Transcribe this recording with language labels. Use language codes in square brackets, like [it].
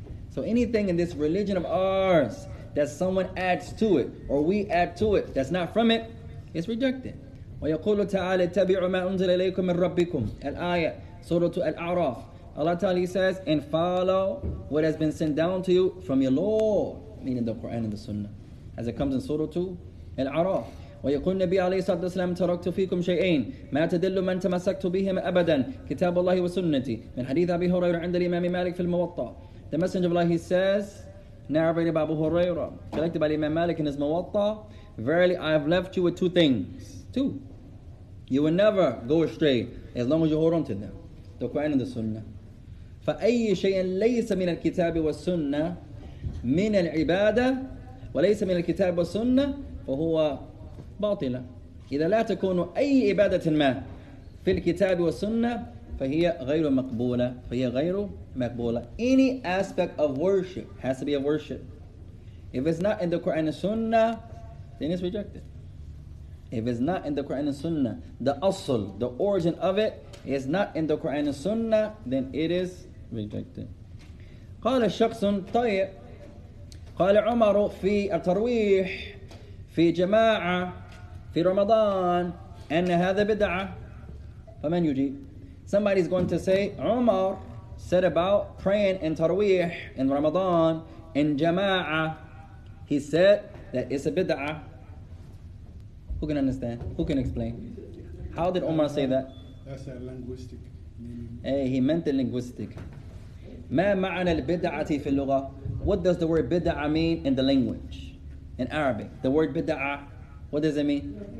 [en] So anything in this religion of ours that someone adds to it or we add to it that's not from it, it's rejected. [ar] وَيَقُولُ تَعَالَى اتَّبِعُوا مَا أُنزِلَ إِلَيْكُمْ مِنْ رَبِّكُمْ الآية سورة الأعراف. [en] Allah Ta'ala says, and follow what has been sent down to you from your Lord, meaning the Quran and the Sunnah, as it comes in Surah 2 Al-Araf. [ar] ويقول النبي عليه الصلاة والسلام تركت فيكم شيئين ما تدل من تمسكت بهم أبدا كتاب الله وسنتي من حديث أبي هريرة عند الإمام مالك في الموطأ. [en] The Messenger of Allah, he says, narrated by Abu Huraira, collected by Imam Malik in his Muwatta, verily I have left you with two things. Two. You will never go astray as long as you hold on to them. The Quran and the Sunnah. [ar] فَأَيِّ شَيْءٍ لَيْسَ مِنَ الْكِتَابِ وَالسُنَّةِ مِنَ الْعِبَادَةِ وَلَيْسَ مِنَ الْكِتَابِ وَالسُنَّةِ فَهُوَ بَاطِلًا. إِذَا لَا تَكُونُ أَيِّ عِبَادَةٍ مَا فِي الْكِتَابِ وَالسُنَّةِ فَهِيَ غَيْرُ مَقْبُولَ فَهِيَ غَيْرُ مَقْبُولَ. [en] Any aspect of worship has to be a worship. If it's not in the Quran and Sunnah, then it's rejected. If it's not in the Quran and Sunnah, the asl, the origin of it, is not in the Quran and Sunnah, then it is rejected. [ar] قال الشخص طيب قال عمر في الترويح في جماعة في رمضان أن هذا بدعة فمن يجيب. [en] Somebody's going to say, Umar said about praying in Tarawih, in Ramadan, in Jama'ah, he said that it's a bid'ah. Who can understand? Who can explain? How did Umar say that? That's a linguistic name. Hey, he meant the linguistic. [ar] ما معنى البدعتي في اللغة? [en] What does the word bid'ah mean in the language? In Arabic, the word bid'ah, what does it mean?